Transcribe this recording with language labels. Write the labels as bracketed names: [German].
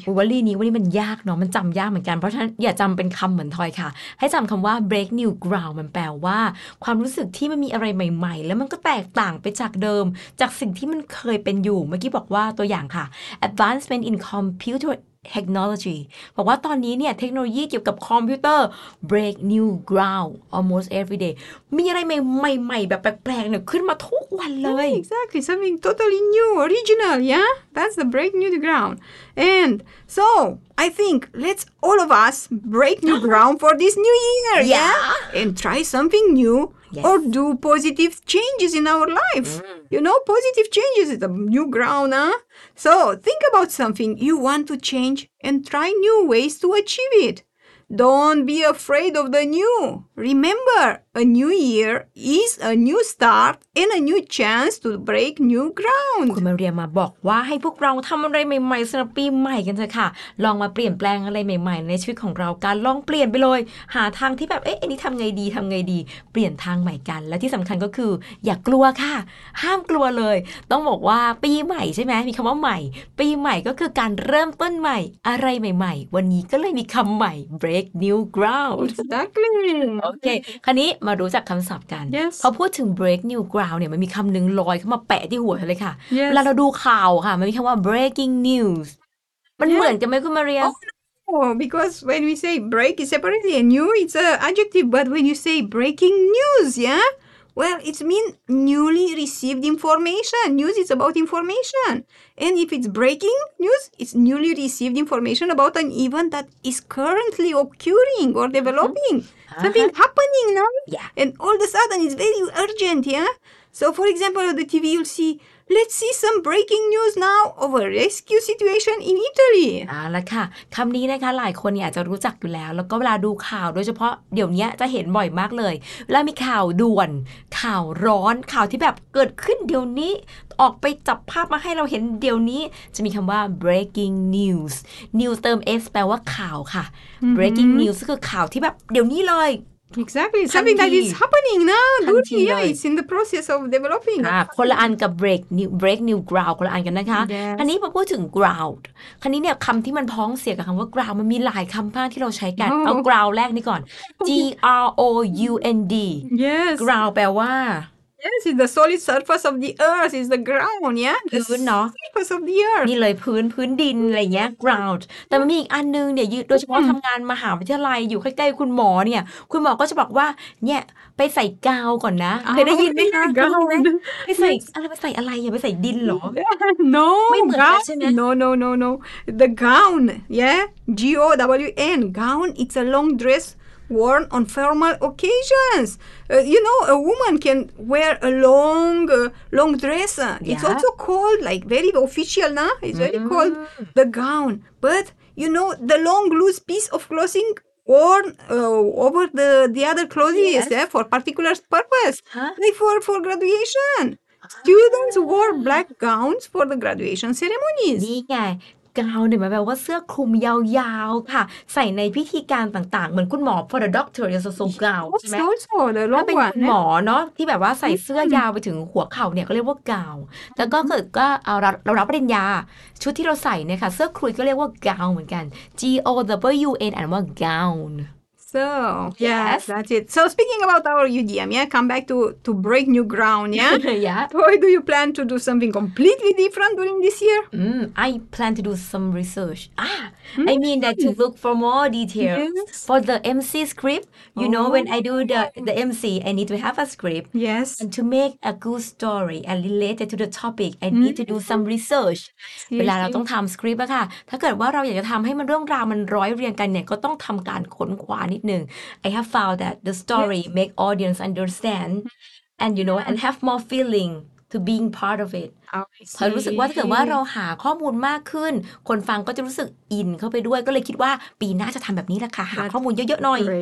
[Thai] วลีนี้วลีมันยากเนาะมันจำยากเหมือนกันเพราะฉะนั้นอย่าจำเป็นคำเหมือนทอยค่ะให้จำคำว่า break new ground มันแปลว่าความรู้สึกที่มันมีอะไรใหม่ๆแล้วมันก็แตกต่างไปจากเดิมจากสิ่งที่มันเคยเป็นอยู่เมื่อกี้บอกว่าตัวอย่างค่ะ [English] advancement in computerTechnology [Thai] บอกว่าตอนนี้เนี่ยเทคโนโลยีเกี่ยวกับคอมพิวเตอร์ [English] break new ground almost every day [Thai] มีอะไรใหม่ๆแบบแปลกๆเนี่ยขึ้นมาทุกวันเลย [English] Exactly something totally new original yeah that's the break new the ground and so I think let's all of us break new ground for this new year yeah and try something newYes. Or do positive changes in our life. You know, positive changes is a new ground, huh? So think about something you want to change and try new ways to achieve it. Don't be afraid of the new. Remember, a new year is a new start and a new chance to break new ground. [Thai] คุณมาเรียมาบอกว่าให้พวกเราทำอะไรใหม่ๆสำหรับปีใหม่กันเถอะค่ะลองมาเปลี่ยนแปลงอะไรใหม่ๆในชีวิตของเราการลองเปลี่ยนไปเลยหาทางที่แบบเอ๊ะอันนี้ทำไงดีทำไงดีเปลี่ยนทางใหม่กันและที่สำคัญก็คืออย่ากลัวค่ะห้ามกลัวเลยต้องบอกว่าปีใหม่ใช่ไหมมีคำว่าใหม่ปีใหม่ก็คือการเริ่มต้นใหม่อะไรใหม่ๆวันนี้ก็เลยมีคำใหม่ break new ground [English] exactly [Thai] โอเคคราวนี้มารู้จักคำศัพท์กัน [English] yes. [Thai] พอพูดถึง break new ground เนี่ยมันมีคำหนึ่งลอยเข้ามาแปะที่หัวเลยค่ะ [English] yes. [Thai] เวลาเราดูข่าวค่ะมันมีคำว่า breaking news มัน [English] yes. [Thai] เหมือนกันไหมคุณมาเรีย [English] น because when we say break is separately and new it's a adjective but when you say breaking news yeah well it means newly received information news is about information and if it's breaking news it's newly received information about an event that is currently occurring or developing mm-hmm. Something uh-huh. happening now, yeah. and all of a sudden it's very urgent, yeah? So for example, on the TV you'll see, let's see some breaking news now of a rescue situation in Italy. [Thai] แล้วค่ะคำนี้นะคะหลายคนเนี่ยอาจจะรู้จักอยู่แล้วแล้วก็เวลาดูข่าวโดยเฉพาะเดี๋ยวนี้จะเห็นบ่อยมากเลยเวลามีข่าวด่วนข่าวร้อนข่าวที่แบบเกิดขึ้นเดี๋ยวนี้ออกไปจับภาพมาให้เราเห็นเดี๋ยวนี้จะมีคำว่า breaking news news เติม s แปลว่าข่าวค่ะ mm-hmm. breaking news คือข่าวที่แบบเดี๋ยวนี้เลย [English] exactly something that is happening now [Thai] ดูที่ [English] yeah, it's in the process of developing [Thai] คนละอันกับ break new ground คนละอันกันนะคะ [English] yes. [Thai] อันนี้พอพูดถึง ground คันนี้เนี่ยคำที่มันพ้องเสียกับคำว่า ground มันมีหลายคำมากที่เราใช้กัน [English] oh. [Thai] เอา ground แรกนี่ก่อน g r o u n d [English] yes [Thai] ground แปลว่า [English] Yes, it's the solid surface of the earth. It's the ground, yeah? [Thai] พื้นเนาะ [English] Surface of the earth. [Thai] นี่เลยพื้นดินอะไรเงี้ย ground. แต่มันมีอีกอันนึงเนี่ยโดยเฉพาะทำงานมหาวิทยาลัยอยู่ใกล้ๆคุณหมอเนี่ยคุณหมอก็จะบอกว่าเนี่ยไปใส่กาวก่อนนะเคยได้ยินไหมคะ กาว ไปใส่อะไรไปใส่อะไรอย่าไปใส่ดินหรอ [English] No. [Thai] ไม่เหมือนใช่ไหม [English] No. The gown, yeah? G-O-W-N. Gown, it's a long dress. Worn on formal occasions. You know, a woman can wear a long dress. Yeah. It's also called, like, very official, na? It's mm-hmm. very called the gown. But, you know, the long loose piece of clothing worn over the other clothes yes. yeah, for particular purpose. Huh? Like for graduation. Uh-huh. Students wore black gowns for the graduation ceremonies. Yeah. [Thai] Gown เนี่ยหมายแปลว่าเสื้อคลุมยาวๆค่ะใส่ในพิธีการต่างๆเหมือนคุณหมอ [English] for the doctor [Thai] จะสวม gown ใช่ไหม ถ้า เป็นหมอเนาะที่แบบว่าใส่เสื้อยาวไปถึงหัวเข่าเนี่ยก็เรียกว่า gown แต่ก็เกิดก็เรารับปริญญาชุดที่เราใส่เนี่ยค่ะเสื้อคลุมก็เรียกว่า gown เหมือนกัน G O W N แปลว่า gown [English] so yes that's it so speaking about our UDM yeah come back to break new ground yeah yeah boy do you plan to do something completely different during this year I plan to do some research I mean that to look for more details yes. for the MC script you know when I do the MC I need to have a script yes and to make a good story and related to the topic I need to do some research [Thai] เวลาเราต้องทำสคริปต์อะค่ะถ้าเกิดว่าเราอยากจะทำให้มันเรื่องราวมันร้อยเรียงกันเนี่ยก็ต้องทำการค้นคว้านิดนึง [English] I have found that the story yes. make audience understand and you know and have more feeling to being part of it [Thai] เรารู้สึกว่าถ้าเกิดว่าเราหาข้อมูลมากขึ้นคนฟังก็จะรู้สึกอินเข้าไปด้วยก็เลยคิดว่าปีหน้าจะทำแบบนี้แหละค่ะหาข้อมูลเยอะๆหน่อย